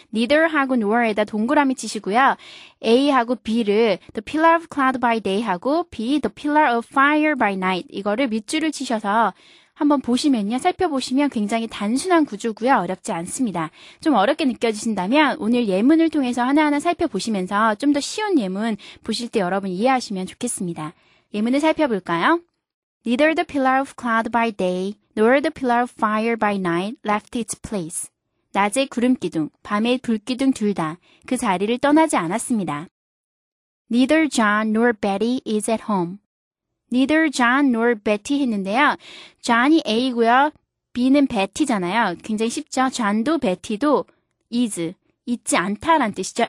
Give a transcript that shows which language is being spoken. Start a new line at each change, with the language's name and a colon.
Korean: neither하고 nor에다 동그라미 치시고요. A하고 B를
English: the pillar of cloud by day
Korean: 하고 B,
English: the pillar of fire by night
Korean: 이거를 밑줄을 치셔서 한번 보시면요. 살펴보시면 굉장히 단순한 구조고요. 어렵지 않습니다. 좀 어렵게 느껴지신다면 오늘 예문을 통해서 하나하나 살펴보시면서 좀 더 쉬운 예문 보실 때 여러분 이해하시면 좋겠습니다. 예문을 살펴볼까요?
English: Neither the pillar of cloud by day nor the pillar of fire by night left its place.
Korean: 낮의 구름기둥, 밤의 불기둥 둘 다 그 자리를 떠나지 않았습니다.
English: Neither John nor Betty is at home. Neither John nor Betty
Korean: 했는데요. John이 A고요. B는 Betty잖아요. 굉장히 쉽죠. John도 Betty도 is, 있지 않다라는 뜻이죠.